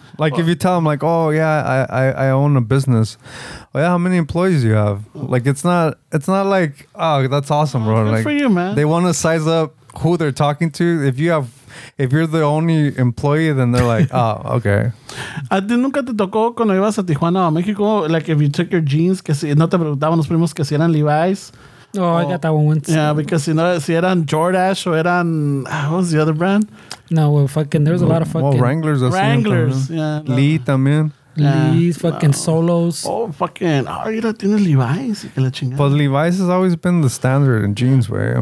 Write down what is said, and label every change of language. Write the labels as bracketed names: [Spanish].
[English] Like if you tell them like, oh yeah, I own a business. Oh yeah, how many employees do you have? Like it's not like, oh, that's awesome, bro. Good like, for you, man. They want to size up who they're talking to. If you have... If you're the only employee, then they're like, oh, okay. [Spanish] ¿A ti nunca te tocó cuando ibas a Tijuana o a México? [English] Like, if you took your jeans, [Spanish] que si no te preguntaban los primos que si eran Levi's. [English] Oh, I got that one once. Yeah, because you know, [Spanish] si eran Jordache o eran, [English] what was the other brand? No, well, fucking, there's a lot of fucking. Well, Wranglers. Wranglers, yeah. [Spanish] No. Lee también. [English] Yeah. Lee, fucking Solos. Oh, fucking, you don't have Levi's. But Levi's has always been the standard in jeans, right?